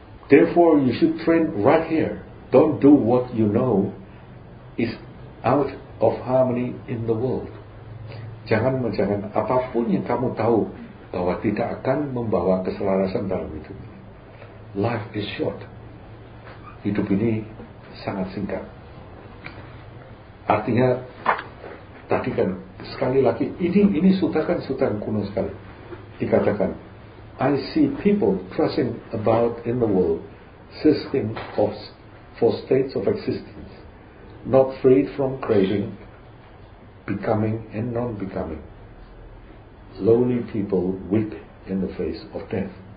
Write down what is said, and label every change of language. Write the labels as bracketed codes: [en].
[en] Therefore, you should train right here. Don't do what you know is out of harmony in the world. [id] Jangan apapun yang kamu tahu bahwa tidak akan membawa keselarasan dalam hidup. [en] Life is short. [id] Hidup ini sangat singkat. Artinya, tadi kan sekali lagi, ini sutra kan sutra kuno sekali. Dikatakan, [en] I see people crossing about in the world, system of for states of existence, not freed from craving, becoming and non-becoming. Lonely people weep in the face of death.